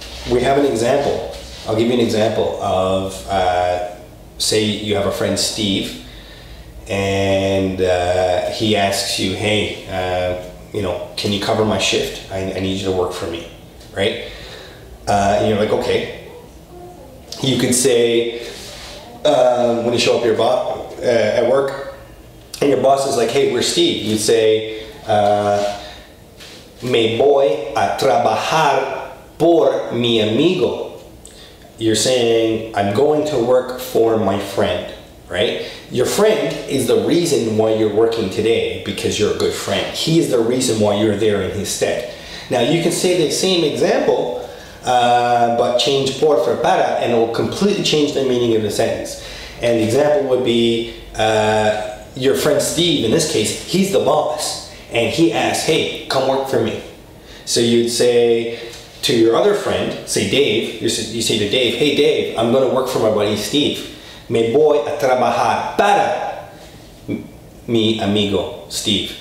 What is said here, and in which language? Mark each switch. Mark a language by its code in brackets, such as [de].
[en] We have an example. I'll give you an example of, say you have a friend Steve, and he asks you, hey, can you cover my shift? I need you to work for me, right? And you're like, okay. You could say, when you show up at work, and your boss is like, hey, we're Steve. [es] You'd say, me voy a trabajar por mi amigo. [en] You're saying, I'm going to work for my friend, right? Your friend is the reason why you're working today, because you're a good friend. He is the reason why you're there in his stead. Now, you can say the same example, but change por for para, and it will completely change the meaning of the sentence. And the example would be, your friend Steve, in this case, he's the boss, and he asks, hey, come work for me. So you'd say to your other friend, say Dave, you say to Dave, hey Dave, I'm going to work for my buddy Steve. [es] Me voy a trabajar para mi amigo Steve.